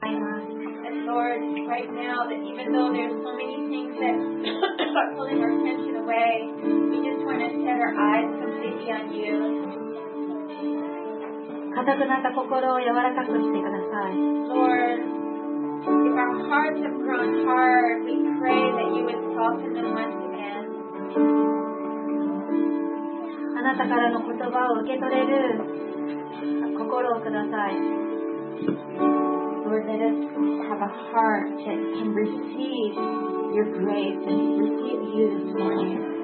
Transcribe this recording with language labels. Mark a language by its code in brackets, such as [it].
[en] Lord, right now, that even though there's so many things that are pulling our attention away, we just want to set our eyes completely on you. [ja] 固くなった心を柔らかくしてください。 [en] Lord, if our hearts have grown hard, we pray that you would soften them once again. [ja] あなたからの言葉を受け取れる心をください。 [en] Lord, let us have a heart that can receive your grace and receive you this morning.